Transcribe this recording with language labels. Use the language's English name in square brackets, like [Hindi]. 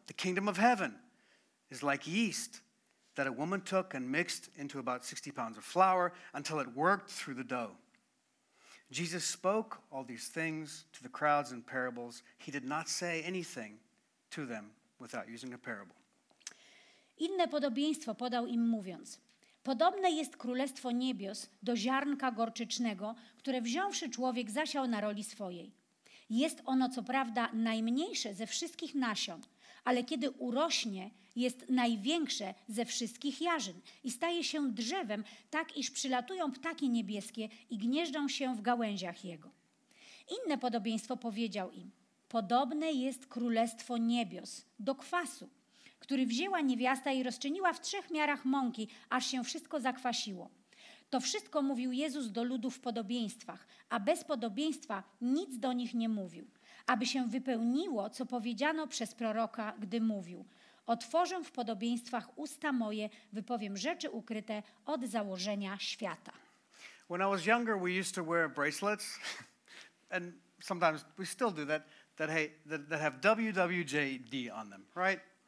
[English] The kingdom of heaven is like yeast that a woman took and mixed into about 60 pounds of flour until it worked through the dough. Jesus spoke all these things to the crowds in parables. He did not say anything to them without using a parable. [Polish] Inne podobieństwo podał im mówiąc, podobne jest królestwo niebios do ziarnka gorczycznego, które wziąwszy człowiek zasiał na roli swojej. Jest ono co prawda najmniejsze ze wszystkich nasion, ale kiedy urośnie, jest największe ze wszystkich jarzyn i staje się drzewem tak, iż przylatują ptaki niebieskie i gnieżdżą się w gałęziach jego. Inne podobieństwo powiedział im, podobne jest królestwo niebios do kwasu, który wzięła niewiasta i rozczyniła w trzech miarach mąki, aż się wszystko zakwasiło. To wszystko mówił Jezus do ludu w podobieństwach, a bez podobieństwa nic do nich nie mówił, aby się wypełniło, co powiedziano przez proroka, gdy mówił. Otworzę w podobieństwach usta moje, wypowiem rzeczy ukryte od założenia świata. [English] When I was younger, we used to wear bracelets, and sometimes we still do that, that have WWJD on them, right?